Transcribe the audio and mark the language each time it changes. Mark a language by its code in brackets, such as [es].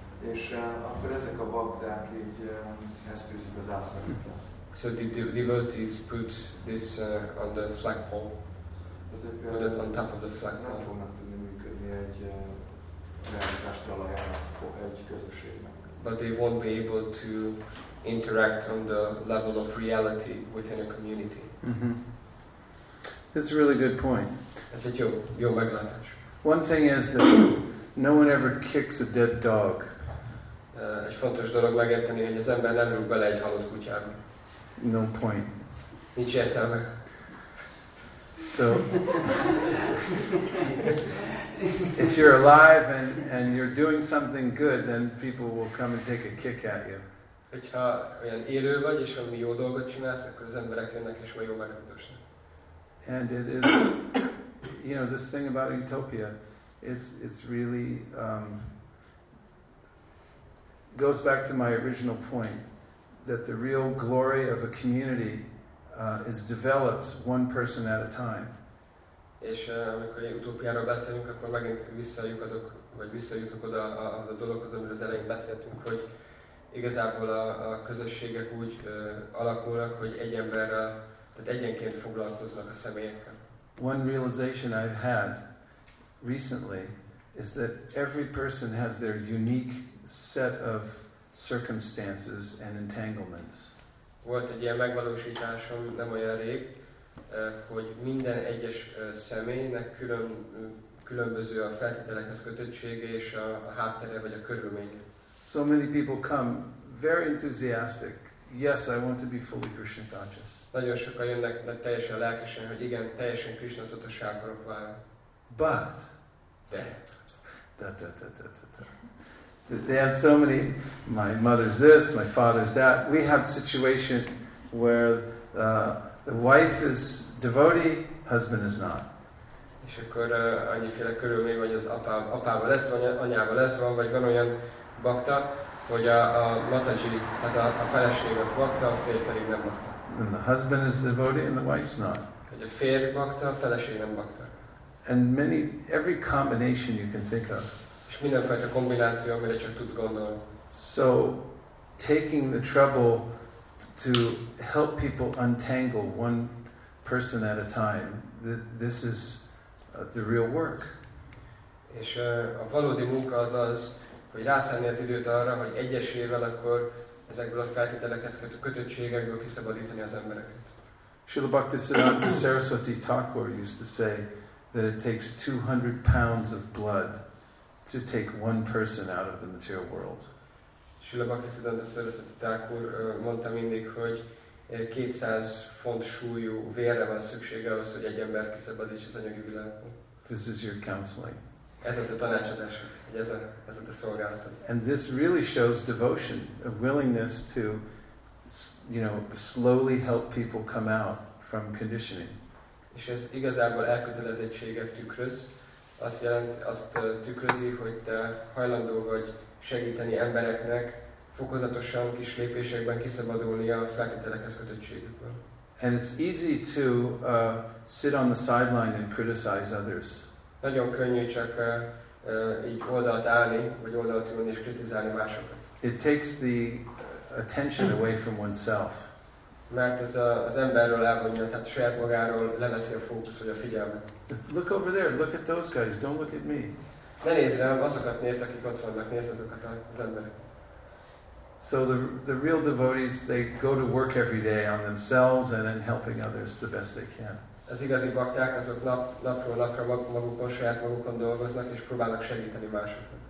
[hu] És akkor ezek a bakták így ezt tűzik az ászlajukra. [en] So the devotees put this on the flagpole. [hu] Ezek, [en] put it on top of the flagpole. [hu] Nem fognak tudni működni egy realitás talajának, egy közösségnek. [en] But they won't be able to interact on the level of reality within a community. Mm-hmm. This is a really good point. [hu] Ez egy jó meglátás. [en] One thing is that no one ever kicks a dead dog. [hu] Egy fontos dolog megérteni, hogy az ember nem rúg bele egy halott kutyába. [en] No point. [hu] Nincs értelme. [en] So, if you're alive and you're doing something good, then people will come and take a kick at you. [hu] Hogyha olyan élő vagy és valami jó dolgot csinálsz, akkor az emberek jönnek és vagy jó megmutatnak. [en] And it is, you know, this thing about utopia, it's really goes back to my original point that the real glory of a community is developed one person at a time. [hu] És amikor utópiáról beszélünk, akkor megint visszajutok, vagy visszajutok oda az a dologhoz, amiről az elején beszéltünk, hogy igazából a közösségek úgy alakulnak, hogy egy emberrel, tehát egyenként foglalkoznak a személyekkel. [en] One realization I've had recently is that every person has their unique set of circumstances and entanglements. [hu] Volt egy ilyen megvalósításom nem olyan rég, hogy minden egyes személynek különböző a feltételekhez kötöttsége és a háttere vagy a körülménye. [en] So many people come very enthusiastic. Yes, I want to be fully Krishna conscious. [hu] Nagyon sokan jönnek teljesen lelkesen, hogy igen, teljesen Krishna tudatossá akarok válni. [en] But [hu] de. [en] They had so many, my mother's this, my father's that. We have a situation where the wife is devotee, husband is not. [hu] És akkor annyiféle körülmény, vagy az apával lesz, vagy anyával lesz, vagy van olyan bakta, hogy a Mataji, hát a feleség az bakta, a férj pedig nem bakta. [en] And the husband is devotee and the wife's not. [hu] Hogy a férj bakta, a feleség nem bakta. [en] And many, every combination you can think of. [hu] Mindenfajta kombináció, amire csak tudsz gondolni. [en] So, taking the trouble to help people untangle one person at a time, this is the real work. [hu] És a valódi munka az az, hogy rászállni az időt arra, hogy egyesével akkor ezekből a feltételekhez kötöttségekből kiszabadítani az embereket. [en] Srila Bhaktisiddhanta Saraswati Thakur used to say that it takes 200 pounds of blood to take one person out of the material world. [hu] Srila Bhaktisiddhanta Saraswati Thakur mondta mindig, hogy 200 font súlyú vérre van szüksége ahhoz, hogy egy embert kiszabadíts az anyagi világból. [en] This is your counseling. [hu] Ez a te tanácsadásod, hogy ez a te szolgálatod. [en] And this really shows devotion, a willingness to, you know, slowly help people come out from conditioning. [hu] És ez igazából elkötelezettséget tükröz. Azt jelent, azt tükrözi, hogy te hajlandó vagy segíteni embereknek fokozatosan kis lépésekben kiszabadulni a feltételekhez kötöttségükből. [en] And it's easy to sit on the sideline and criticize others. [hu] Nagyon könnyű csak így oldalt állni, vagy oldalt ülni és kritizálni másokat. [en] It takes the attention away from oneself. [hu] Mert az emberről elvonja, tehát saját magáról leveszi a fókusz, vagy a figyelmet. [en] Look over there, look at those guys, don't look at me. [hu] Ne nézz rám, azokat nézz, akik ott vannak, nézz azokat az emberek. [en] So the real devotees, they go to work every day on themselves and then helping others the best they can. [hu] Az igazi bakták, azok napról napra magukon, saját magukon dolgoznak, és próbálnak segíteni másoknak.